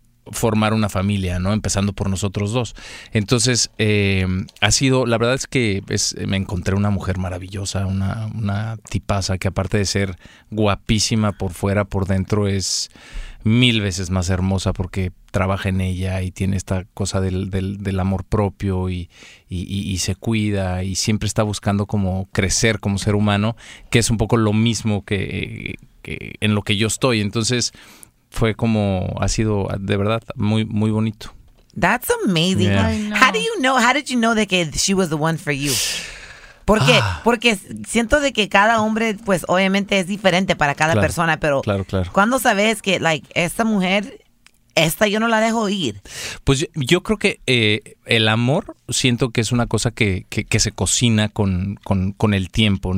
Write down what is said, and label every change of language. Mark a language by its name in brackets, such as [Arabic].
[Spanish] formar una familia, ¿no? Empezando por nosotros dos. Entonces, ha sido, la verdad es que es, me encontré una mujer maravillosa, una tipaza que aparte de ser guapísima por fuera, por dentro es mil veces más hermosa porque trabaja en ella y tiene esta cosa del amor propio y se cuida y siempre está buscando como crecer como ser humano, que es un poco lo mismo que en lo que yo estoy. Entonces, fue como, ha sido de verdad muy, muy bonito. [English] That's amazing. Yeah. How did you know that she was the one for you? [Spanish] Porque, porque siento de que cada hombre, pues obviamente es diferente para cada persona, pero ¿cuándo sabes que, like, esta mujer, esta yo no la dejo ir? Pues yo creo que el amor siento que es una cosa que se cocina con el tiempo.